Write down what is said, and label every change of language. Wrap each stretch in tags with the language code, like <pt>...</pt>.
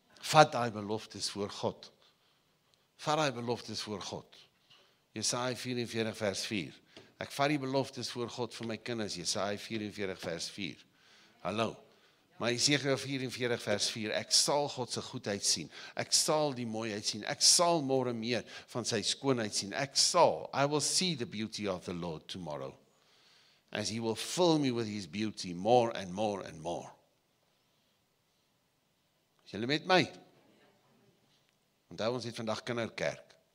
<af>Vat hy beloftes voor God. Vat hy beloftes voor God. Jesaja 44 vers 4. Ek vat die beloftes voor God vir my kinders. Jesaja 44 vers 4. Hallo. Maar Jesaja 44 vers 4. Ek sal Godse goedheid sien. Ek sal die mooiheid sien. Ek sal more meer van sy skoonheid sien. Ek sal.</af> <en>I will see the beauty of the Lord tomorrow. As he will fill me with his beauty more and more and more.</en> <af>Is julle met my? Onthou ons het vandag kinderkerk.</af>